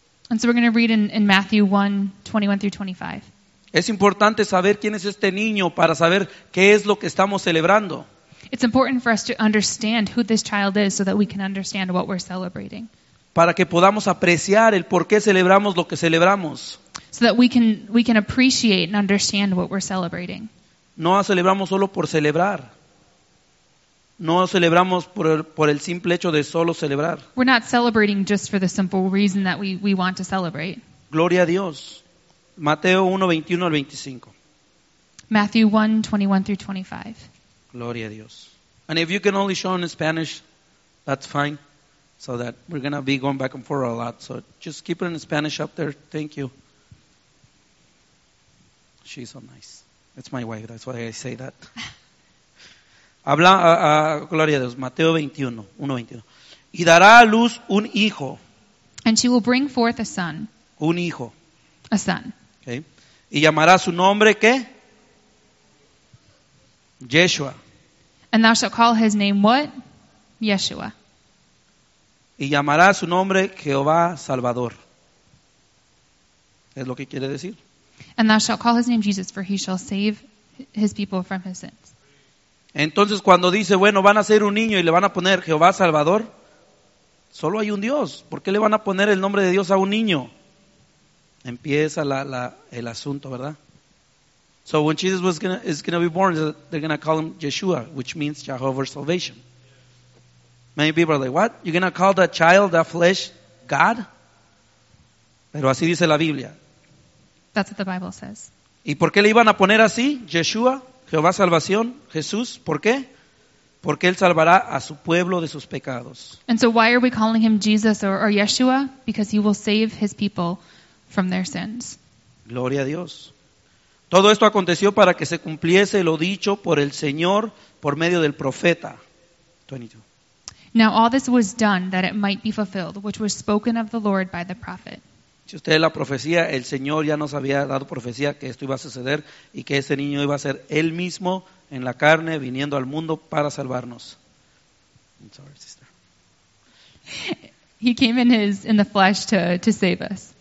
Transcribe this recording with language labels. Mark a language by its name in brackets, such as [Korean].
[English] And so we're going to read in Matthew 1:21-25. [Spanish] Es importante saber quién es este niño para saber qué es lo que estamos celebrando. [English] It's important for us to understand who this child is so that we can understand what we're celebrating. [Spanish] Para que podamos apreciar el por qué celebramos lo que celebramos. [English] So that we can appreciate and understand what we're celebrating. [Spanish] No celebramos solo por celebrar. No celebramos por el simple hecho de solo celebrar. [English] We're not celebrating just for the simple reason that we want to celebrate. [Spanish] Gloria a Dios. Mateo 1:21-25. [English] Matthew 1:21-25. [Spanish] Gloria a Dios. [English] And if you can only show in Spanish, that's fine. So that we're going to be going back and forth a lot. So just keep it in Spanish up there. Thank you. She's so nice. It's my wife. That's why I say that. [Spanish] Habla a gloria a Dios, Mateo 1:21. Y dará a luz un hijo. [English] And she will bring forth a son. [Spanish] Un hijo. [English] A son. [Spanish] Okay. Y llamará su nombre, ¿qué? Yeshua. [English] And thou shalt call his name, what? Yeshua. [Spanish] Y llamará su nombre Jehová Salvador. Es lo que quiere decir. [English] And thou shalt call his name Jesus, for he shall save his people from his sins. [Spanish] Entonces cuando dice, bueno, van a ser un niño y le van a poner Jehová Salvador, solo hay un Dios. ¿Por qué le van a poner el nombre de Dios a un niño? Empieza el asunto, ¿verdad? [English] So when Jesus is gonna be born, they're gonna call him Yeshua, which means Jehovah Salvation. Many people are like, what? You're gonna call that child, that flesh, God? [Spanish] Pero así dice la Biblia. [English] That's what the Bible says. [Spanish] ¿Y por qué le iban a poner así? Yeshua, Jehová Salvación, Jesús. ¿Por qué? Porque él salvará a su pueblo de sus pecados. [English] And so why are we calling him Jesus or Yeshua? Because he will save his people from their sins. [Spanish] Gloria a Dios. Todo esto aconteció para que se cumpliese lo dicho por el Señor por medio del profeta. 22. [English] Now all this was done that it might be fulfilled, which was spoken of the Lord by the prophet. [Spanish] Si usted lee la profecía, el Señor ya nos había dado profecía que esto iba a suceder y que ese niño iba a ser él mismo en la carne viniendo al mundo para salvarnos. [English] I'm sorry, sister. He came in the flesh to save us.